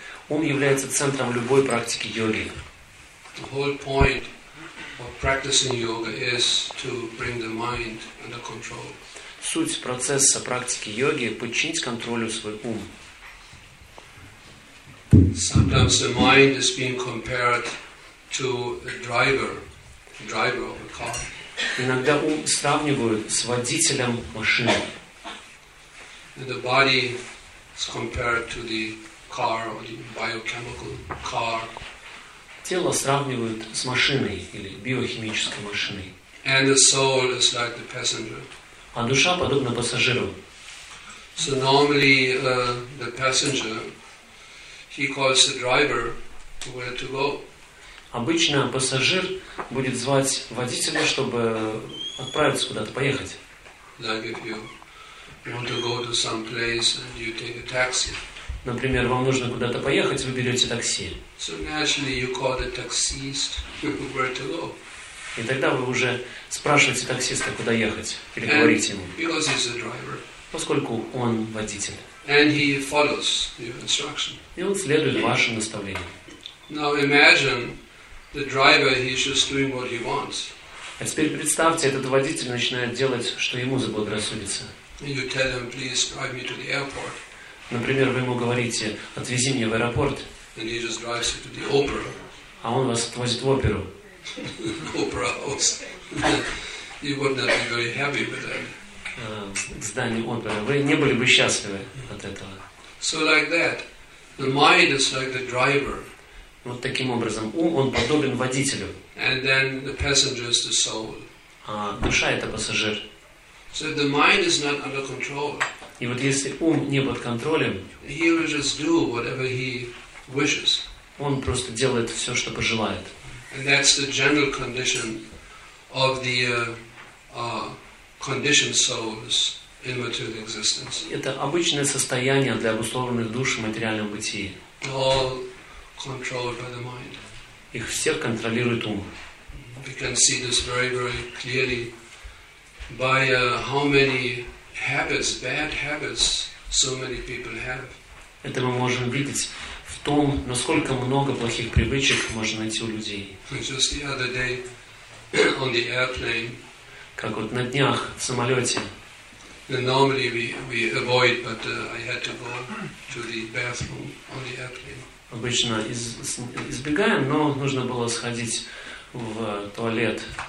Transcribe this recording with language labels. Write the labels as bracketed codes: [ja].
[ru] Ум является центром любой практики йоги. [en] The whole point of practicing yoga is to bring the mind under control. [ru] Суть процесса практики йоги – подчинить контролю свой ум. [en] Sometimes the mind is being compared to a driver, of a car. [ru] Иногда ум сравнивают с водителем машины. [en] And the body is compared to the car or the biochemical car. [ru] Тело сравнивают с машиной или биохимической машиной. [en] And the soul is like the passenger. [ru] А душа подобна пассажиру. [en] So normally the passenger, he calls the driver where to go. [ru] Обычно пассажир будет звать водителя, чтобы отправиться куда-то поехать. [en] Like if you want to go to some place and you take a taxi. [ru] Например, вам нужно куда-то поехать, вы берете такси. [en] So naturally you call the taxiist where to go. [ru] И тогда вы уже спрашиваете таксиста, куда ехать, или говорите ему. [en] Because he's a driver. [ru] Поскольку он водитель. [en] And he follows your instruction. [ru] И он следует вашим наставлениям. [en] Now imagine the driver, he's just doing what he wants. [ru] А теперь представьте, этот водитель начинает делать, что ему заблагорассудится. [en] And you tell him, please drive me to the airport. [ru] Например, вы ему говорите, отвези меня в аэропорт. [en] And he just drives you to the opera. [ru] А он вас отвозит в оперу. [en] Opera house. You would not be very happy with that. [ru] К зданию оперы. Вы не были бы счастливы от этого. [en] So like that. The mind is like the driver. [ru] Вот таким образом. Ум, он подобен водителю. [en] And then the passenger is the soul. [ru] А душа – это пассажир. [en] So the mind is not under control. [ru] И вот если ум не под контролем, [en] he will just do whatever he wishes. [ru] Он просто делает все, что пожелает. [en] And that's the general condition of the conditioned souls in material existence. [ru] Это обычное состояние для обусловленных душ в материальном бытии. [en] All controlled by the mind. [ru] Их всех контролирует ум. [en] We can see this very, very clearly by how many habits, bad habits, so many people have. [ru] Это мы можем видеть в том, насколько много плохих привычек можно найти у людей. [en] Just the other day on the airplane. [ru] Как вот на днях в самолете. [en] Normally we avoid, but I had to go to the bathroom on the airplane. [ru] Обычно избегаем, но нужно было сходить в туалет.